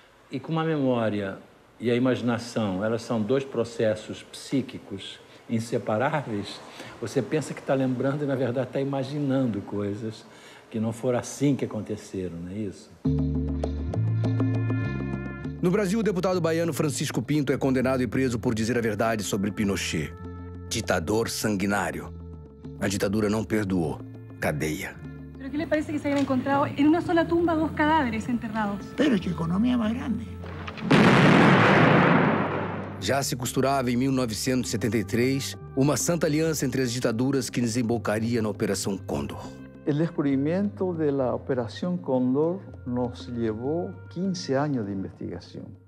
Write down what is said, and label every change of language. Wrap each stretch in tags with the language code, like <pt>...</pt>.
<pt>E com a memória e a imaginação, elas são dois processos psíquicos inseparáveis, você pensa que está lembrando e, na verdade, está imaginando coisas que não foram assim que aconteceram, não é isso? No Brasil, o deputado baiano Francisco Pinto é condenado e preso por dizer a verdade sobre Pinochet, ditador sanguinário. A ditadura não perdoou. Cadeia.</pt> <es>Pero que le parece que se haya encontrado en una sola tumba dos cadáveres enterrados. Pero que economía más grande.</es> <pt>Já se costurava em 1973 uma santa aliança entre as ditaduras que desembocaria na Operação Cóndor. O descobrimento da Operação Cóndor nos levou 15 anos de investigação.</pt>